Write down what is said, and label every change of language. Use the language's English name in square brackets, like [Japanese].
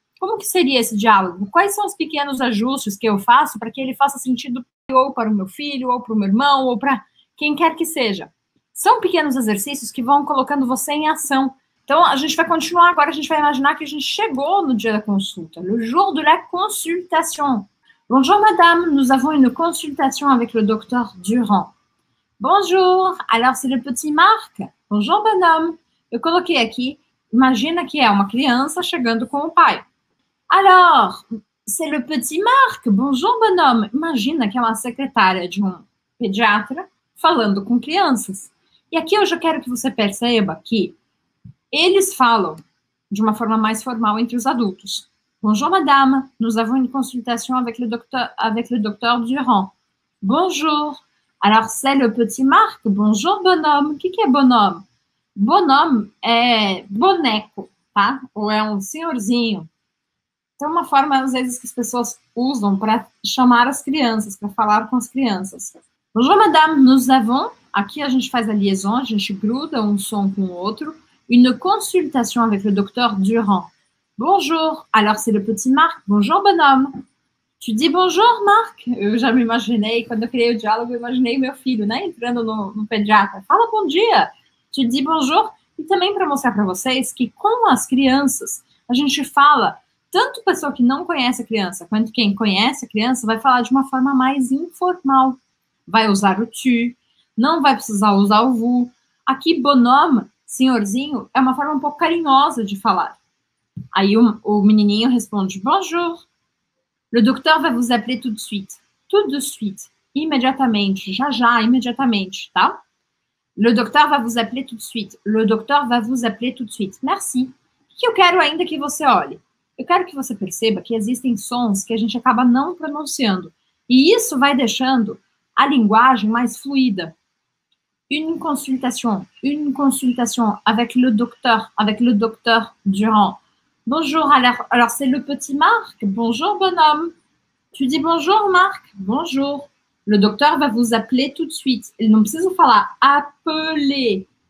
[Portuguese] Como que seria esse diálogo? Quais são os pequenos ajustes que eu faço para que ele faça sentido ou para o meu filho, ou para o meu irmão, ou para quem quer que seja? São pequenos exercícios que vão colocando você em ação. Então, a gente vai continuar agora, a gente vai imaginar que a gente chegou no dia da consulta. [French] Le jour de la consultation. Bonjour, madame. Nous avons une consultation avec le docteur Durand. Bonjour. Alors, c'est le petit Marc. Bonjour, bonhomme. [Portuguese] Eu coloquei aqui. Imagina que é uma criança chegando com o pai. [French] Alors, c'est le petit Marc. Bonjour, bonhomme. [Portuguese] Imagina que é uma secretária de um pediatra falando com crianças. E aqui eu já quero que você perceba que eles falam de uma forma mais formal entre os adultos. [French] Bonjour, madame. Nous avons une consultation avec le docteur Durand. Bonjour. Alors, c'est le petit Marc. Bonjour, bonhomme. [Portuguese] O que é bonhomme? Bonhomme é boneco, tá? Ou é um senhorzinho. Tem uma forma, às vezes, que as pessoas usam para chamar as crianças, para falar com as crianças. [French] Bonjour, madame, nous avons. [Portuguese] Aqui a gente faz a liaison, a gente gruda um som com o outro. [French] Une consultation avec le docteur Durand. Bonjour. Alors, c'est le petit Marc. Bonjour, bonhomme. Tu dis bonjour, Marc? [Portuguese] Eu já me imaginei, quando eu criei o diálogo, eu imaginei meu filho, né? Entrando no pediatra. Fala bom dia. [French] Te dis bonjour, [Portuguese] e também para mostrar para vocês que com as crianças, a gente fala, tanto pessoa que não conhece a criança, quanto quem conhece a criança, vai falar de uma forma mais informal. Vai usar o tu, não vai precisar usar o vous. Aqui, bonhomme, senhorzinho, é uma forma um pouco carinhosa de falar. Aí o menininho responde: [French] Bonjour, le docteur va vous appeler tout de suite. Tout de suite, [Portuguese] imediatamente, já já, imediatamente, tá? [French] Le docteur va vous appeler tout de suite. Le docteur va vous appeler tout de suite. Merci. [Portuguese] O que eu quero ainda que você olhe? Eu quero que você perceba que existem sons que a gente acaba não pronunciando. E isso vai deixando a linguagem mais fluida. [French] Une consultation avec le docteur, Durand. Bonjour, alors c'est le petit Marc. Bonjour, bonhomme. Tu dis bonjour, Marc. Bonjour. Le docteur va vous appeler tout de suite. [Portuguese] Ele não precisa falar appeler.